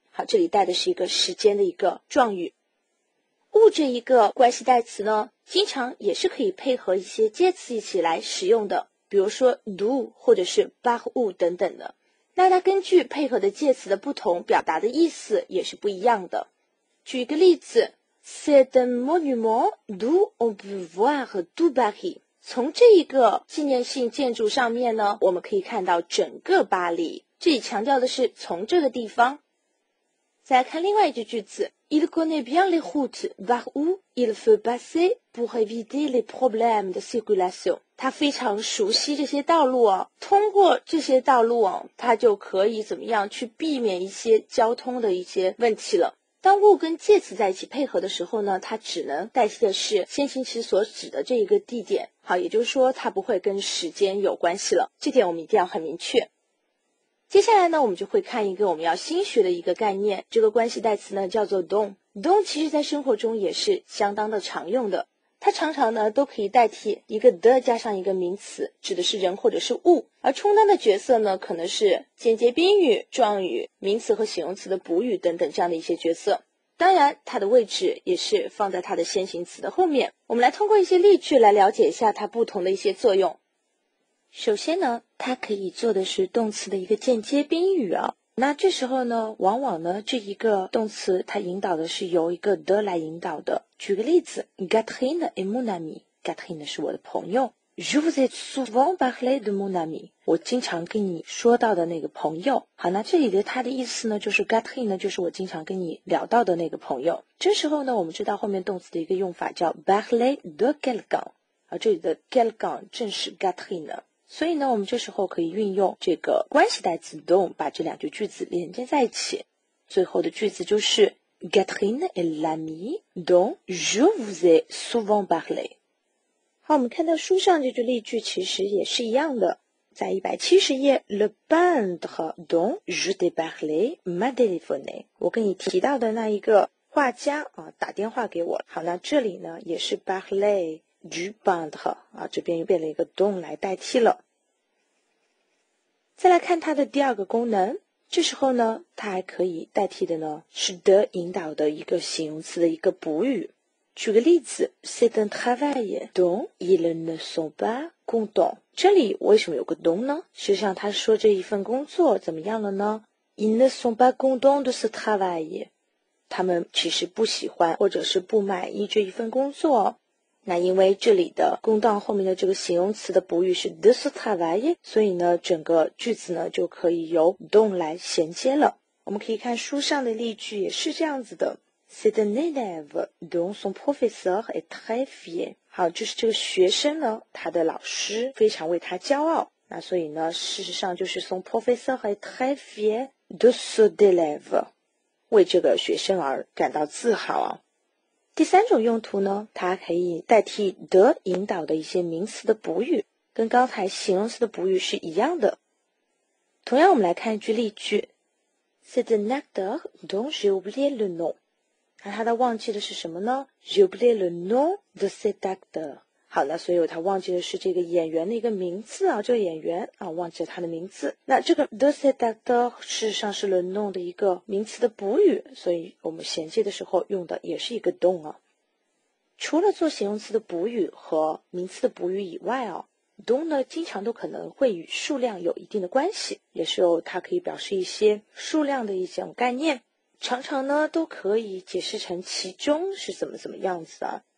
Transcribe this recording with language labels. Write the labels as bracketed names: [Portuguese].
[Chinese] 好，这里带的是一个时间的一个状语。物这一个关系代词呢经常也是可以配合一些介词一起来使用的，比如说 do 或者是 par où 等等的，那它根据配合的介词的不同表达的意思也是不一样的。举一个例子 [French] C'est un monument d'où on peut voir tout Paris. [Chinese] 从这一个纪念性建筑上面呢，我们可以看到整个巴黎。这里强调的是从这个地方。再来看另外一句句子 ： [French] Il connaît bien les routes par où il faut passer pour éviter les problèmes de circulation. [Chinese] 他非常熟悉这些道路哦，通过这些道路哦，他就可以怎么样去避免一些交通的一些问题了。当物跟介词在一起配合的时候呢，它只能代替的是先行词所指的这一个地点。好，也就是说它不会跟时间有关系了，这点我们一定要很明确。接下来呢，我们就会看一个我们要新学的一个概念，这个关系代词呢叫做 don。 don 其实在生活中也是相当的常用的，它常常呢都可以代替一个的加上一个名词，指的是人或者是物，而充当的角色呢可能是间接宾语、状语、名词和形容词的补语等等这样的一些角色。当然它的位置也是放在它的先行词的后面。我们来通过一些例句来了解一下它不同的一些作用。首先呢，它可以做的是动词的一个间接宾语啊。那这时候呢，往往呢这一个动词它引导的是由一个的来引导的。举个例子 [French] ，Catherine est mon ami，Catherine [Chinese] 是我的朋友 [French] ，Je vous ai souvent parlé de mon ami， [Chinese] 我经常跟你说到的那个朋友。好，那这里的它的意思呢，就是 Catherine 呢就是我经常跟你聊到的那个朋友。这时候呢，我们知道后面动词的一个用法叫 [French] parler de quelqu'un， [Chinese] 而这里的 quelqu'un 正是 Catherine。所以呢，我们这时候可以运用这个关系代词 don 把这两句句子连接在一起。最后的句子就是 [French] Catherine est l'ami dont je vous ai souvent parlé。 [Chinese] 好，我们看到书上这句例句其实也是一样的，在170页 [French] Le peintre dont je t'ai parlé m'a téléphoné， [Chinese] 我跟你提到的那一个画家啊，打电话给我。好，那这里呢也是 [French] parlé du peintre [Chinese] 啊，这边又变了一个 don 来代替了。再来看它的第二个功能，这时候呢它还可以代替的呢是 de 引导的一个形容词的一个补语。举个例子 [French] c'est un travail dont ils ne sont pas contents， [Chinese] 这里为什么有个 don 呢？实际上他说这一份工作怎么样了呢？ [French] ils ne sont pas contents de ce travail， [Chinese] 他们其实不喜欢或者是不满意这一份工作。那因为这里的公道后面的这个形容词的补语是 [French] de ce travail， [Chinese] 所以呢整个句子呢就可以由 don 来衔接了。我们可以看书上的例句也是这样子的 [French] c'est un élève dont son professeur est très fier， [Chinese] 好，就是这个学生呢他的老师非常为他骄傲。那所以呢事实上就是 [French] son professeur est très fier de ce élève， [Chinese] 为这个学生而感到自豪啊。第三种用途呢，它可以代替的引导的一些名词的补语，跟刚才形容词的补语是一样的。同样我们来看一句例句 [French] C'est un acteur dont j'ai oublié le nom， [Chinese] 那他的忘记的是什么呢？ [French] J'ai oublié le nom de cet acteur。 [Chinese] 好，那所以他忘记的是这个演员的一个名字啊，这个演员啊忘记了他的名字。那这个 [French] de cet acteur [Chinese] 事实上是 le nom 的一个名词的补语，所以我们衔接的时候用的也是一个 don 啊。除了做形容词的补语和名词的补语以外啊，don 呢经常都可能会与数量有一定的关系，也是有它可以表示一些数量的一种概念，常常呢都可以解释成其中是怎么怎么样子的。